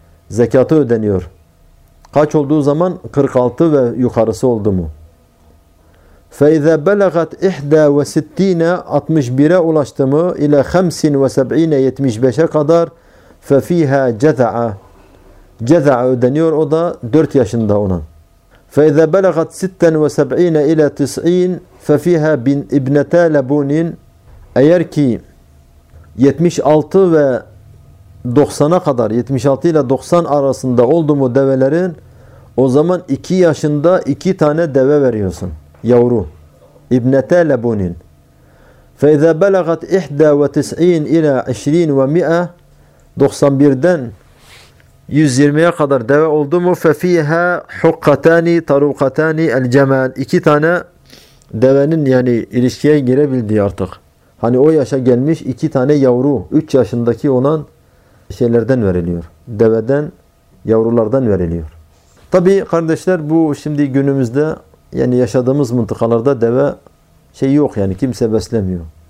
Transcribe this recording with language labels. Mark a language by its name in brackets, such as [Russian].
[Turkish] Zekatı ödeniyor. Kaç olduğu zaman? 46 ve yukarısı oldu mu? [Arabic] فَاِذَا بَلَغَتْ اِحْدَى وَسِتِّينَ. [Turkish] 61'e ulaştı mı? [Arabic] اِلَى خَمْسٍ وَسَبْعِينَ. [Turkish] 75'e kadar. [Arabic] فَفِيهَا جَذَعَ. [Turkish] Ceza ödeniyor, o da 4 yaşında olan. [Arabic] فإذا بلغت 76 إلى 90 ففيها ابنتا لبونين. [Turkish] Eğer ki 76 ve 90'a kadar, 76 ile 90 arasında oldu mu develerin, o zaman 2 yaşında 2 tane deve veriyorsun. Yavru. İbnete lebunin. [Arabic] فَاِذَا بَلَغَتْ اِحْدَى وَتِسْعِينَ اِلَى اِشْرِينَ وَمِئَى [Turkish] 91'den 120'ye kadar deve oldu mu? [Arabic] فَفِيهَا حُقَّتَانِ تَرُوقَتَانِ الْجَمَالِ [Turkish] 2 tane devenin yani ilişkiye girebildiği artık. Hani o yaşa gelmiş 2 tane yavru, 3 yaşındaki olan şeylerden veriliyor. Deveden, yavrulardan veriliyor. Tabii kardeşler bu şimdi günümüzde yani yaşadığımız mıntıkalarda deve şey yok yani kimse beslemiyor.